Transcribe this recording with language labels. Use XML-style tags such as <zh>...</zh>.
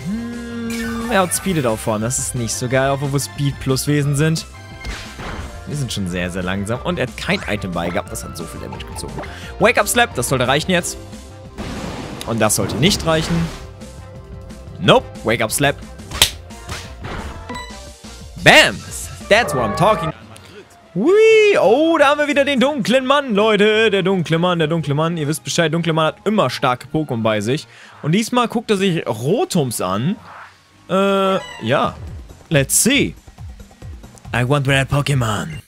<de>Hm, er hat Speeded auch vorne. Das ist nicht so geil, obwohl wir Speed plus Wesen sind. Wir sind schon sehr, sehr langsam. Und er hat kein Item bei gehabt. Das hat so viel Damage gezogen. Wake Up Slap, das sollte reichen jetzt. Und das sollte nicht reichen.</de> <en>Nope, Wake Up Slap. Bam, that's what I'm talking.</en> <de>Hui, oh, da haben wir wieder den dunklen Mann, Leute. Der dunkle Mann, der dunkle Mann. Ihr wisst Bescheid, dunkle Mann hat immer starke Pokémon bei sich. Und diesmal guckt er sich Rotoms an.</de> <en>Ja. Let's see. I want rare Pokémon.</en>